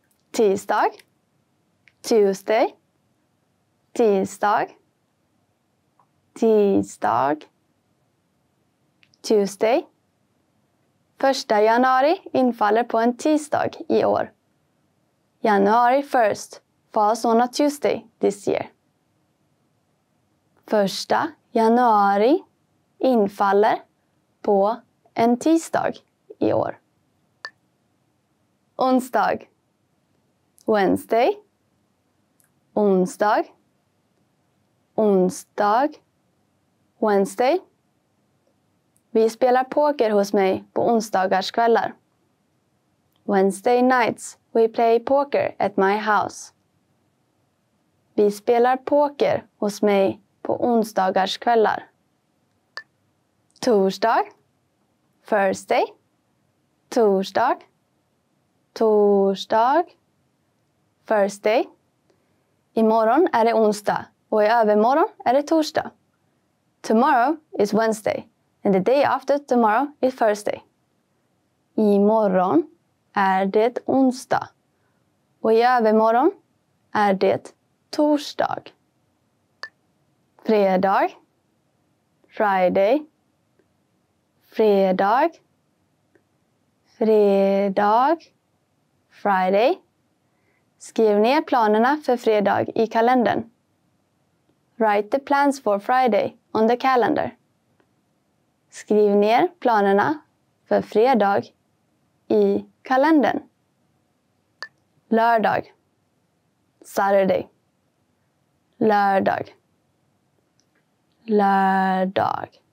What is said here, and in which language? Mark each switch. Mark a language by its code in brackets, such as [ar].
[sv] Tisdag. Tuesday. Tisdag. Tisdag. Tuesday. 1 januari infaller på en tisdag i år. [en] January 1st falls on a Tuesday this year. [sv] 1 januari infaller på en tisdag i år. Onsdag. Wednesday. Onsdag. Onsdag. Wednesday. Vi spelar poker hos mig på onsdagars kvällar. [en] Wednesday nights we play poker at my house. [sv] Vi spelar poker hos mig på onsdagars kvällar. Torsdag. Thursday. Torsdag. Torsdag. Thursday. Imorgon är det onsdag och i övermorgon är det torsdag. [en] Tomorrow is Wednesday and the day after tomorrow is Thursday. [sv] Imorgon är det onsdag och i övermorgon är det torsdag. Fredag. Friday. Fredag. Fredag. Friday. Skriv ner planerna för fredag i kalendern. [en] Write the plans for Friday on the calendar. [sv] Skriv ner planerna för fredag i kalendern. Lördag. Saturday. Lördag. Lördag.